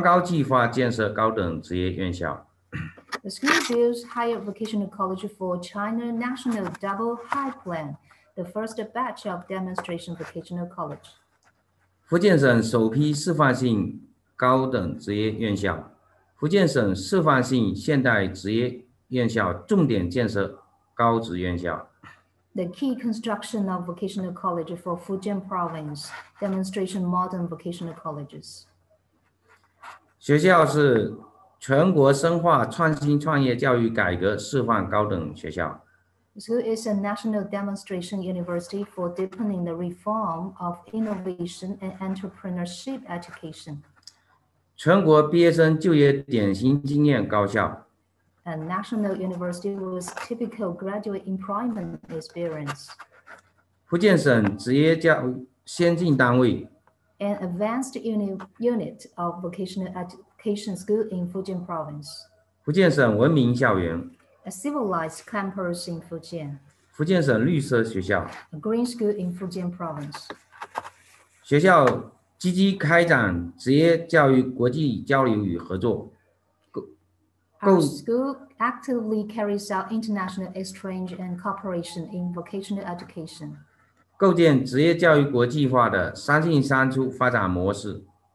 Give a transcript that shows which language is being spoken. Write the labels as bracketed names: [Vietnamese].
[Chinese] 我们学校是中国的全国双高计划建设高等职业院校。 [English] The school builds higher vocational college for China National Double High Plan, the first batch of demonstration vocational college. [Chinese] 福建省首批示范性高等职业院校，福建省示范性现代职业院校重点建设高职院校。 [English] The key construction of vocational college for Fujian province, demonstration modern vocational colleges. [Chinese] 学校是全国深化创新创业教育改革示范高等学校。 [English] School is a national demonstration university for deepening the reform of innovation and entrepreneurship education. [Chinese] 全国毕业生就业典型经验高效。 [English] And National University with typical graduate employment experience. [Chinese] 福建省职业教育先进单位。 [English] An advanced unit of vocational education school in Fujian province. [Chinese] 福建省文明校园。 [English] A civilized campus in Fujian. [Chinese] 福建省绿色学校。 [English] A green school in Fujian province. [Chinese] 学校 积极开展职业教育国际交流与合作。 [English] Our school actively carries out international exchange and cooperation in vocational education. [Chinese] 构建职业教育国际化的三进三出发展模式。